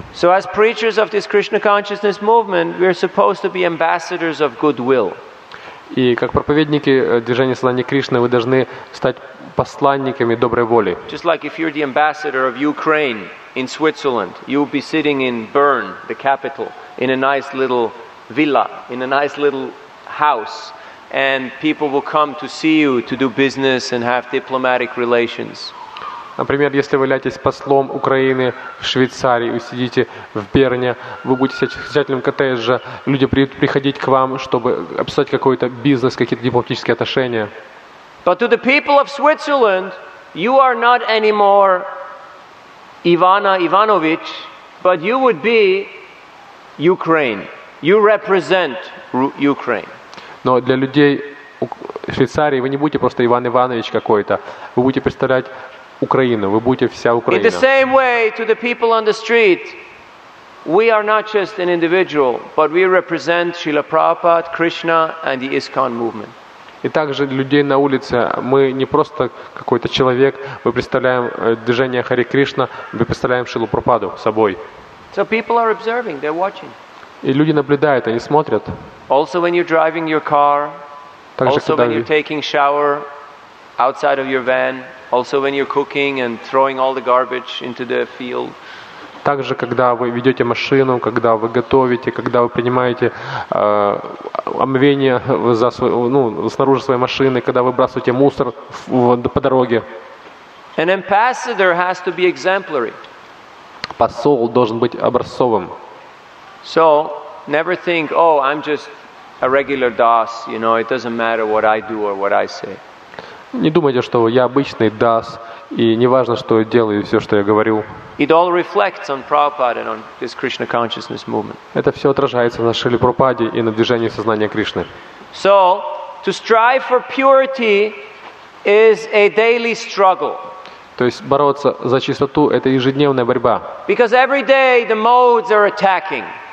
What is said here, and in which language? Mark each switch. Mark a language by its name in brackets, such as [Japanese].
[English] So as preachers of this Krishna consciousness movement, we are supposed to be ambassadors of goodwill. [Russian] И как проповедники движения Сознания Кришны, вы должны стать посланниками доброй воли. [English] Just like if you're the ambassador of Ukraine in Switzerland, you would be sitting in Bern, the capital, in a nice little villa, in a nice little house, and people will come to see you to do business and have diplomatic relations. [Russian] Например, если вы являетесь послом Украины в Швейцарии, вы сидите в Берне, вы будете хозяином коттеджа, люди будут приходить к вам, чтобы обсуждать какой-то бизнес, какие-то дипломатические отношения. [English] But to the people of Switzerland, you are not anymore Ivana Ivanovich, but you would be Ukraine. You represent Ukraine. [Russian] Но для людей Швейцарии вы не будете просто Иван Иванович какой-то. Вы будете представлять Украину. Вы будете вся Украина. [English] In the same way, to the people on the street, we are not just an individual, but we represent Srila Prabhupada, Krishna, and the ISKCON movement. [Russian] И также людей на улице, мы не просто какой-то человек, мы представляем движение Харе Кришна, мы представляем Шрилу Прабхупаду собой. [English] So people are observing, they're watching. [Russian] И люди наблюдают, они смотрят. [English] Also when you're driving your car, [Russian] также [English] also when you're taking shower outside of your van, also when you're cooking and throwing all the garbage into the field. [Russian] Также, когда вы ведете машину, когда вы готовите, когда вы принимаете омовение за снаружи своей машины, когда вы выбрасываете мусор по дороге. [English] An ambassador has to be exemplary. [Russian] Посол должен быть образцовым. [English] So, never think, oh, I'm just a regular das, you know, it doesn't matter what I do or what I say. [Russian] Не думайте, что я обычный дас, и не важно, что я делаю и все, что я говорю. [English] It all reflects on Prabhupada and on this Krishna consciousness movement. [Russian] Это все отражается на Шриле Прабхупаде и на движении сознания Кришны. [English] So, to strive for purity is a daily struggle. [Russian] То есть бороться за чистоту – это ежедневная борьба. [English] Because every day the modes are attacking.